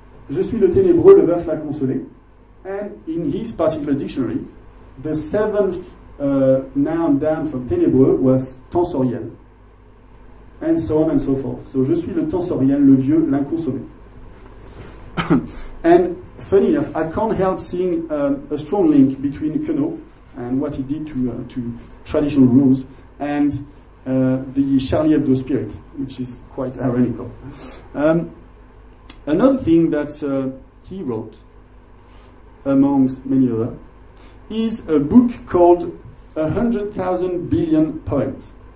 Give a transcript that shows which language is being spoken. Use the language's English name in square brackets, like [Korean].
[French] Je suis le ténébreux, le veuf l'a consolé. [English] And in his particular dictionary, the 7th noun down from ténébreux was tensoriel. And so on and so forth. [French] So je suis le tensoriel, le vieux l'a consolé. [English] And funny enough, I can't help seeing a strong link between Queneau and what he did to traditional rules, and the Charlie Hebdo spirit, which is quite ironical. Another thing that he wrote, amongst many other, is a book called 100,000 Billion Poems.